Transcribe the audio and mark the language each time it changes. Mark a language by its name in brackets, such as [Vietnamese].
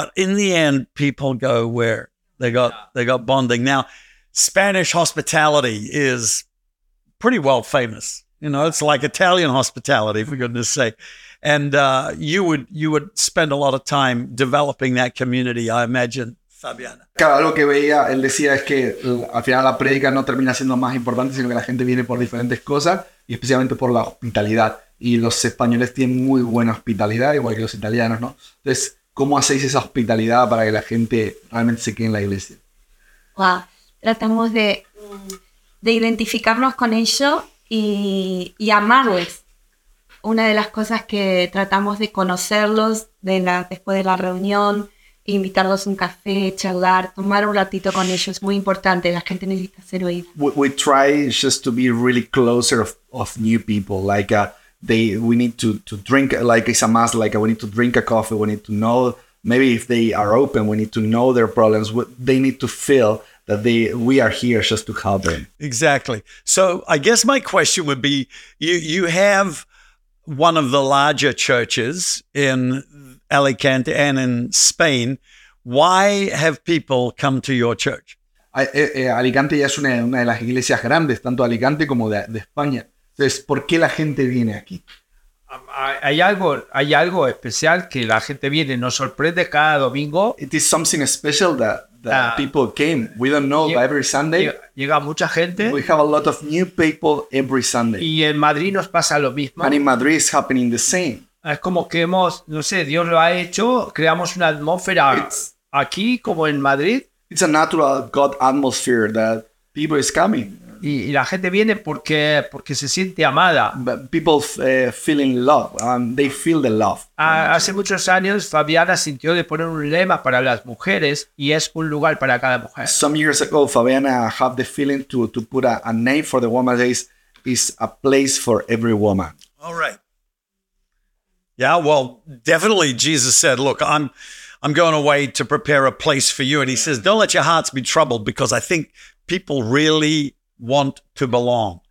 [English] But in the end, people go where they got bonding. Now, Spanish hospitality is pretty well famous. You know, it's like Italian hospitality, for goodness sake. And you would spend a lot of time developing that community, I imagine. [Spanish] Claro, algo que veía, él decía, es que al final la prédica no termina siendo más importante, sino que la gente viene por diferentes cosas y especialmente por la hospitalidad. Y los españoles tienen muy buena hospitalidad, igual que los italianos, ¿no? Entonces, ¿cómo hacéis esa hospitalidad para que la gente realmente se quede en la iglesia? Wow, tratamos de identificarnos con ellos y amarles. Una de las cosas que tratamos de conocerlos después de la reunión, invitarlos un café, charlar, tomar un ratito con ellos, es muy importante, la gente necesita ser oída. [English] We try just to be really closer of new people, like we need to drink, like it's a must, like we need to drink a coffee, we need to know, maybe if they are open, we need to know their problems, they need to feel that we are here just to help them. Exactly. So I guess my question would be, you have one of the larger churches in Alicante and in Spain, why have people come to your church? [Spanish] Alicante ya es una de las iglesias grandes, tanto Alicante como de España. Entonces, ¿por qué la gente viene aquí? Hay algo especial que la gente viene, nos sorprende cada domingo. [English] It is something special that people came. We don't know, but every Sunday [Spanish] llega mucha gente. [English] We have a lot of new people every Sunday. [Spanish] Y en Madrid nos pasa lo mismo. [English] And in Madrid it's happening the same. [Spanish] Es como que hemos, no sé, Dios lo ha hecho, creamos una atmósfera aquí, como en Madrid. [English] It's a natural God atmosphere that people is coming. [Spanish] Y la gente viene porque se siente amada. [English] But people feeling love, they feel the love. [Spanish] Hace muchos años, Fabiana sintió de poner un lema para las mujeres y es un lugar para cada mujer. [English] Some years ago, Fabiana had the feeling to put a name for the woman that is a place for every woman. All right. Yeah, well, definitely Jesus said, look, I'm going away to prepare a place for you. And he says, don't let your hearts be troubled because I think people really want to belong.